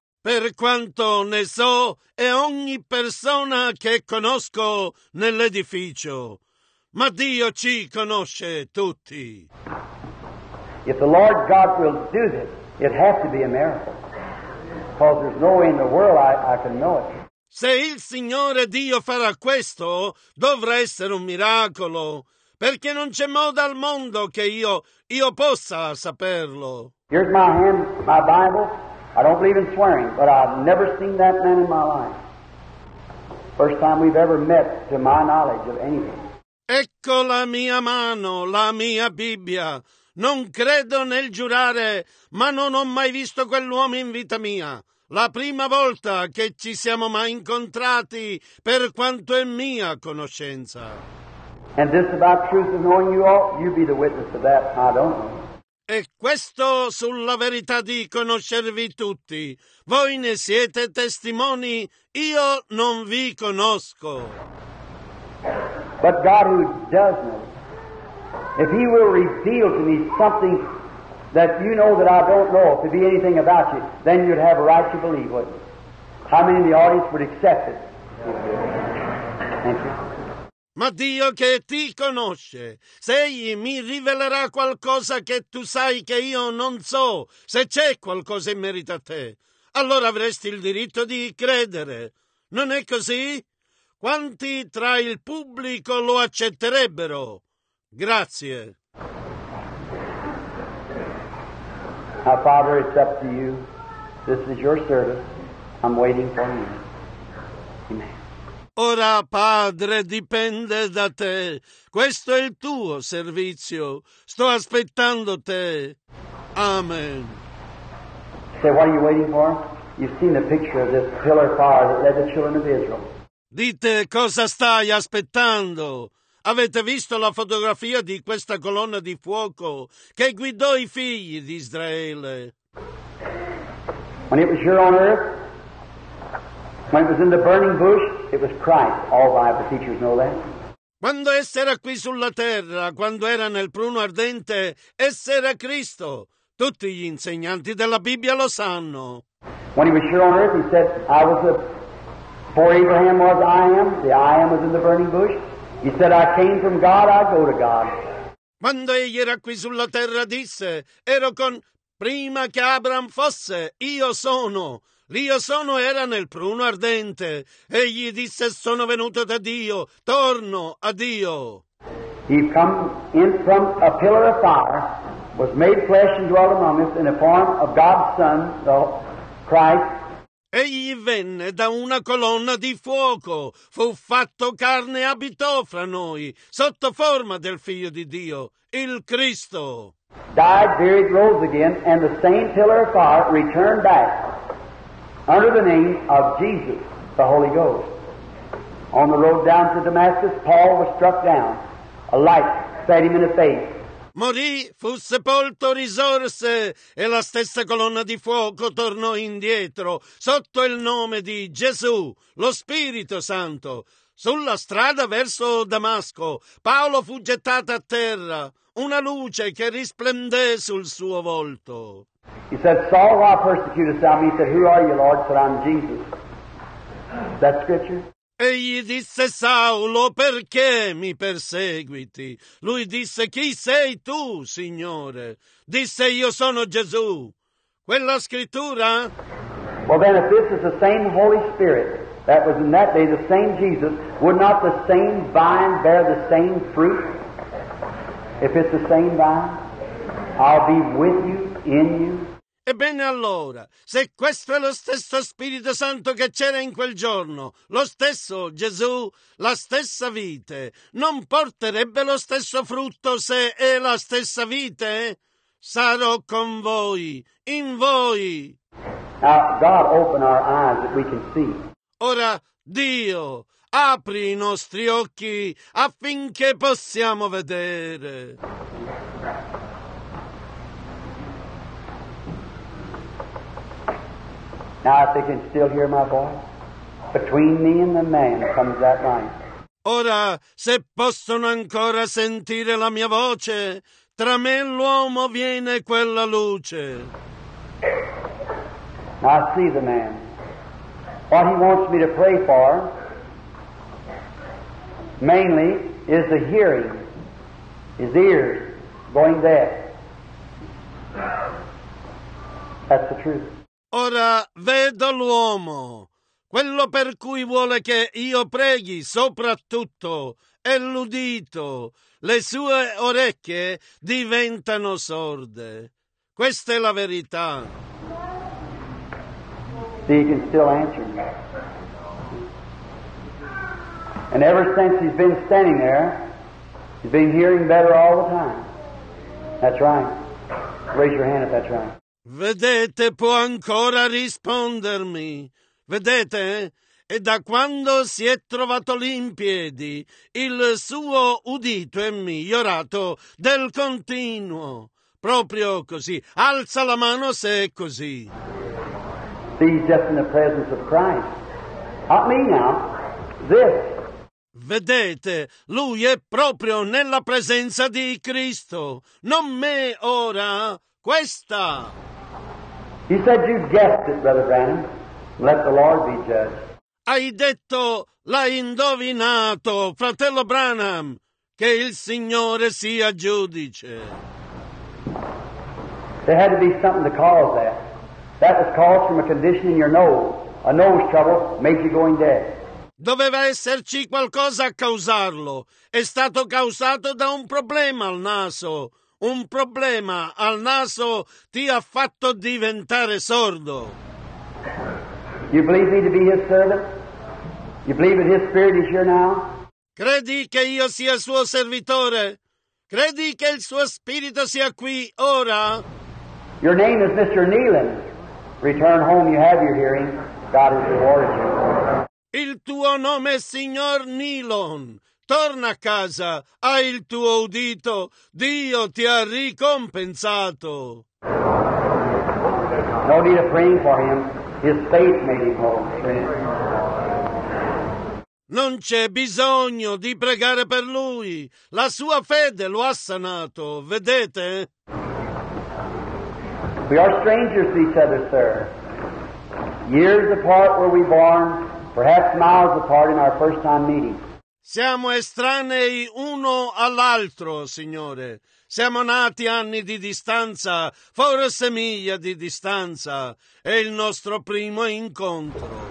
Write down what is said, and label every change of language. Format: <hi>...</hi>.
<it>Per quanto ne so, è ogni persona che conosco nell'edificio. Ma Dio ci conosce tutti.</it> <en>If the Lord God will do this, it has to be a miracle. Because there's no way in the world I can know it.</en> <it>Se il Signore Dio farà questo, dovrà essere un miracolo. Perché non c'è modo al mondo che io possa saperlo.</it> <en>Here's my hand, my Bible. I don't believe in swearing, but I've never seen that man in my life. First time we've ever met, to my knowledge, of anything.</en> <it>Ecco la mia mano, la mia Bibbia. Non credo nel giurare, ma non ho mai visto quell'uomo in vita mia. La prima volta che ci siamo mai incontrati, per quanto è mia conoscenza.</it> <en>And this about truth of knowing you all, you be the witness of that, I don't know.</en> <it>E questo sulla verità di conoscervi tutti. Voi ne siete testimoni, io non vi conosco.</it> <en>But God who does know, if he will reveal to me something that you know that I don't know, if it be anything about you, then you'd have a right to believe, wouldn't you? How many in the audience would accept it? Thank you.</en> <it>Ma Dio che ti conosce, se egli mi rivelerà qualcosa che tu sai che io non so, se c'è qualcosa in merito a te, allora avresti il diritto di credere. Non è così? Quanti tra il pubblico lo accetterebbero? Grazie.</it> <en>Our Father, it's up to you. This is your service. I'm waiting for you. Amen.</en> <it>Ora, Padre, dipende da te. Questo è il tuo servizio. Sto aspettando te. Amen.</it> <en>Say, what are you waiting for? You've seen the picture of this pillar of fire that led the children of Israel.</en> <it>Dite, cosa stai aspettando? Avete visto la fotografia di questa colonna di fuoco che guidò i figli di Israele?</it> <en>When it was here on earth, when it was in the burning bush, it was Christ. All Bible teachers know that.</en> <it>Quando esse era qui sulla terra, quando era nel pruno ardente, esse era Cristo. Tutti gli insegnanti della Bibbia lo sanno.</it> <en>When he was here on earth, he said, "I was before Abraham was I am. The I am was in the burning bush." He said, "I came from God. I go to God."</en> <it>Quando egli era qui sulla terra, disse, "Ero con prima che Abraham fosse. Io sono." L'io sono era nel pruno ardente. Egli disse, sono venuto da Dio, torno a Dio.</it> <en>He come in from a pillar of fire, was made flesh and dwelt among us in the form of God's Son, the Christ.</en> <it>Egli venne da una colonna di fuoco, fu fatto carne e abitò fra noi, sotto forma del Figlio di Dio, il Cristo.</it> <en>Died, buried, rose again, and the same pillar of fire returned back. Under the name of Jesus, the Holy Ghost. On the road down to Damascus, Paul was struck down. A light set him in the face.</en> <it>Morì, fu sepolto, risorse, e la stessa colonna di fuoco tornò indietro, sotto il nome di Gesù, lo Spirito Santo. Sulla strada verso Damasco, Paolo fu gettato a terra, una luce che risplendé sul suo volto.</it> <en>He said, "Saul, why persecutest thou me?" He said, "Who are you, Lord?" He said, "I'm Jesus." Is that scripture?</en> <it>Egli disse, "Saulo, perché mi perseguiti?" Lui disse, "Chi sei tu, Signore?" Disse, "Io sono Gesù." Quella scrittura?</it> <en>Well, then, if this is the same Holy Spirit that was in that day, the same Jesus, would not the same vine bear the same fruit? If it's the same vine, I'll be with you. In you.</en> <it>Ebbene allora, se questo è lo stesso Spirito Santo che c'era in quel giorno, lo stesso Gesù, la stessa vite, non porterebbe lo stesso frutto se è la stessa vite? Sarò con voi, in voi.</it> <en>Now, God open our eyes that we can see.</en> <it>Ora, Dio, apri i nostri occhi affinché possiamo vedere.</it> <en>Now, if they can still hear my voice, between me and the man comes that light.</en> <it>Ora, se possono ancora sentire la mia voce, tra me e l'uomo viene quella luce.</it> <en>Now, I see the man. What he wants me to pray for, mainly, is the hearing, his ears going deaf. That's the truth.</en> <it>Ora vedo l'uomo. Quello per cui vuole che io preghi, soprattutto, è l'udito. Le sue orecchie diventano sorde. Questa è la verità.</it> <en>See, he can still answer me. And ever since he's been standing there, he's been hearing better all the time. That's right. Raise your hand if that's right.</en> <it>Vedete, può ancora rispondermi. Vedete? E da quando si è trovato lì in piedi, il suo udito è migliorato del continuo. Proprio così. Alza la mano se è così.</it> <en>See, just in the presence of Christ. Not me now. This.</en> <it>Vedete, lui è proprio nella presenza di Cristo. Non me ora. Questa.</it> <en>He said, "You guessed it, Brother Branham. Let the Lord be judge."</en> <it>Hai detto, l'hai indovinato, fratello Branham, che il Signore sia giudice.</it> <en>There had to be something to cause that. That was caused from a condition in your nose. A nose trouble made you going deaf.</en> <it>Doveva esserci qualcosa a causarlo. È stato causato da un problema al naso. Un problema al naso ti ha fatto diventare sordo.</it> <en>You believe me to be his servant? You believe that his spirit is here now?</en> <it>Credi che io sia suo servitore? Credi che il suo spirito sia qui ora?</it> <en>Your name is Mr. Nealon. Return home, you have your hearing. God has rewarded you.</en> <it>Il tuo nome è Signor Nealon. Torna a casa, hai il tuo udito, Dio ti ha ricompensato.</it> <en>No need of praying for him, his faith made him whole.</en> <it>Non c'è bisogno di pregare per lui, la sua fede lo ha sanato, vedete?</it> <en>We are strangers to each other, sir. Years apart were we born, perhaps miles apart in our first time meeting.</en> <it>Siamo estranei uno all'altro, Signore. Siamo nati anni di distanza, forse miglia di distanza. È il nostro primo incontro.</it>